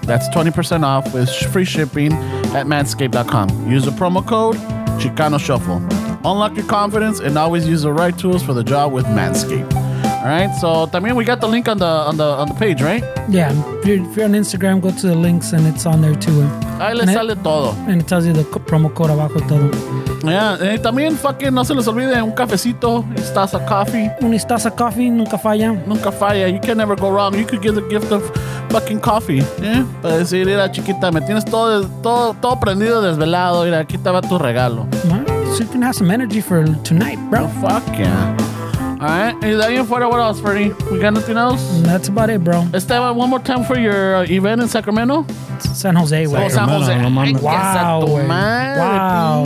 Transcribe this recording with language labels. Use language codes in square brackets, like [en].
[en] That's 20% off with free shipping at manscaped.com. Use the promo code Chicano Shuffle. Unlock your confidence and always use the right tools for the job with Manscaped. Alright, so también we got the link on the page, right? Yeah. If you're on Instagram, go to the links and it's on there too. [es] Ahí le sale todo. [en] And it tells you the promo code [es] abajo todo. Yeah, y también fucking no se les olvide un cafecito, taza coffee. Un taza coffee nunca falla. Nunca falla. [en] You can never go wrong. You could give the gift of fucking coffee. Yeah. [es] Para decir, mira chiquita, me tienes todo prendido, desvelado. Mira, aquí te va tu regalo. [en] So you can have some energy for tonight, bro. Oh, fuck yeah. All right, is that your photo? What else, Freddy? We got nothing else? That's about it, bro. Esteban, one more time for your event in Sacramento? San Jose, güey. Oh, San Jose. Wow.